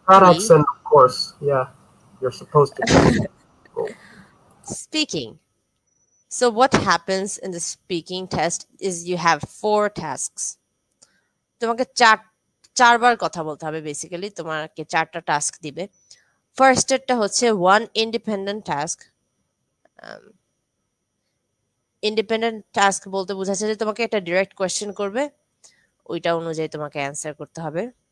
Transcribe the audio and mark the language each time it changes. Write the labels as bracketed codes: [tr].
[en] Option of course yeah you are supposed to speaking So what happens in the speaking test is you have four tasks. [bn] তোমাকে চার বার কথা বলতে হবে basically তোমাকে চারটা task দিবে ফার্স্টটা হচ্ছে one independent task independent task বলতে বোঝাচ্ছে যে তোমাকে একটা ডিরেক্ট কোয়েশ্চেন করবে ওইটা অনুযায়ী তোমাকে অ্যান্সার করতে হবে